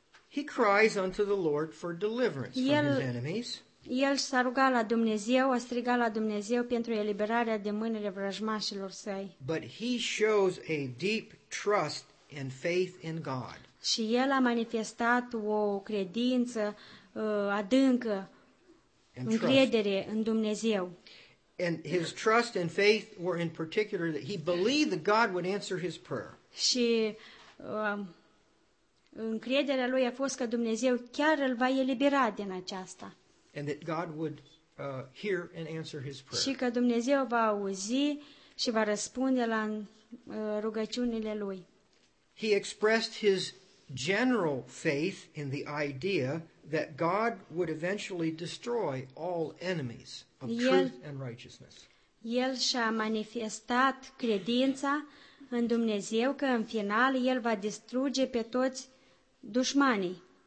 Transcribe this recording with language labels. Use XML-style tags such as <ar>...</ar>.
<en>He cries unto the Lord for deliverance from his enemies.</en> <ro>El s-a rugat la Dumnezeu, a strigat la Dumnezeu pentru eliberarea de mâinile vrăjmașilor săi.</ro> <en>But he shows a deep trust and faith in God.</en> <ro>Și el a manifestat o credință adâncă, încredere în Dumnezeu.</ro> <en>And his trust and faith were in particular that he believed that God would answer his prayer.</en> <ro>Și încrederea lui a fost că Dumnezeu chiar îl va elibera din aceasta.</ro> <en>And that God would hear and answer his prayer.</en> <ro>Și că Dumnezeu va auzi și va răspunde la rugăciunile lui.</ro> <en>He expressed his general faith in the idea that God would eventually destroy all enemies of truth and righteousness.</en> <ro>El și-a manifestat credința în Dumnezeu că în final el va distruge pe toți dușmanii.</ro>